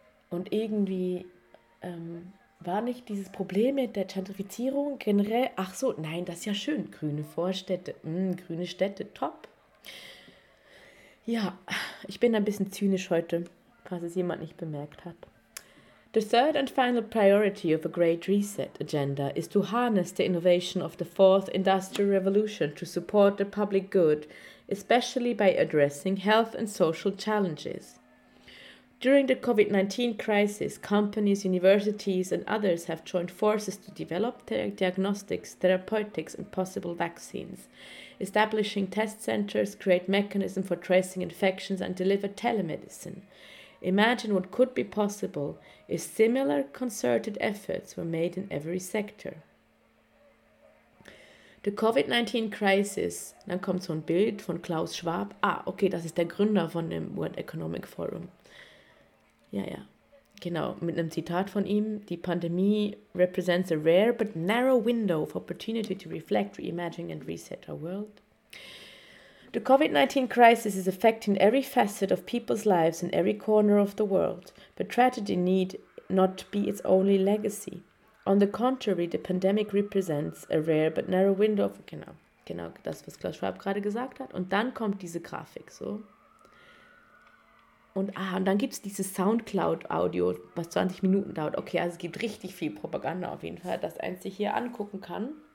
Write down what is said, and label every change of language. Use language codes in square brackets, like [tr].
[de] Und irgendwie war nicht dieses Problem mit der Gentrifizierung generell, ach so, nein, das ist ja schön, grüne Vorstädte, grüne Städte, top. Ja, ich bin ein bisschen zynisch heute, falls es jemand nicht bemerkt hat. [en] The third and final priority of a Great Reset agenda is to harness the innovation of the fourth industrial revolution to support the public good, especially by addressing health and social challenges. During the COVID-19 crisis, companies, universities and others have joined forces to develop diagnostics, therapeutics and possible vaccines, establishing test centers, create mechanisms for tracing infections and deliver telemedicine. Imagine what could be possible if similar concerted efforts were made in every sector. The COVID-19 crisis, [de] dann kommt so ein Bild von Klaus Schwab. Ah, okay, das ist der Gründer von dem World Economic Forum. Ja, ja, genau, mit einem Zitat von ihm. Die Pandemie [en] represents a rare but narrow window of opportunity to reflect, reimagine and reset our world. The COVID-19 crisis is affecting every facet of people's lives in every corner of the world, but tragedy need not be its only legacy. On the contrary, the pandemic represents a rare but narrow window of... [de] Genau, genau das, was Klaus Schwab gerade gesagt hat. Und dann kommt diese Grafik, so. Und dann gibt es dieses Soundcloud-Audio, was 20 Minuten dauert. Okay, also es gibt richtig viel Propaganda auf jeden Fall, dass eins sich hier angucken kann.